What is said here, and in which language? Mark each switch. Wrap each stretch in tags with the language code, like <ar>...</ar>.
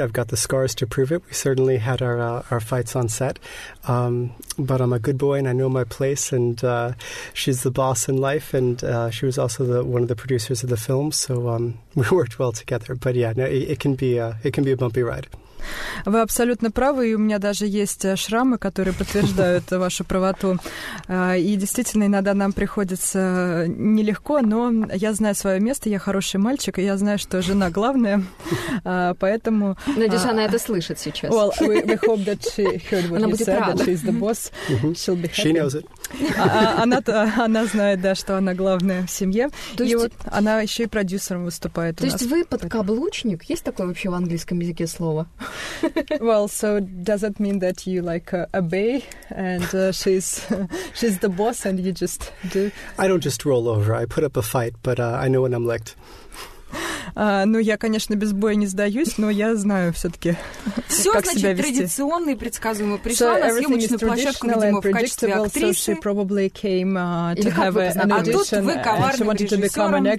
<en>I've got the scars to prove it. We certainly had our fights on set. But I'm a good boy, and I know my place, and she's the boss in life, and she was also one of the producers of the film, so we worked well together. But yeah, no, it can be a bumpy ride.</en> <ru>Вы абсолютно правы, и у меня даже есть шрамы, которые подтверждают вашу правоту. И действительно, иногда нам приходится нелегко, но я знаю свое место, я хороший мальчик, и я знаю, что жена главная, поэтому... Надеюсь, она это слышит сейчас.</ru> <en>Well, we hope that she heard what you said, that she's the boss. Mm-hmm. She'll be happy. She knows it.</en> <ru>Она знает, да, что она главная в семье. То есть... И вот она еще и продюсером выступает. То есть вы подкаблучник? Есть такое вообще в английском языке слово?</ru> <en>Well, so does it mean that you like obey and she's the boss and you just do? I don't just roll over. I put up a fight, but I know when I'm licked.</en> <ru>Ну, я, конечно, без боя не сдаюсь, но я знаю все-таки, как себя вести. Все, значит, традиционно и предсказуемо. Пришла на съемочную площадку, видимо, в качестве актрисы.</ru> <en>So came,</en> <ru>или как вы познакомились? А тут вы коварным режиссером.</ru>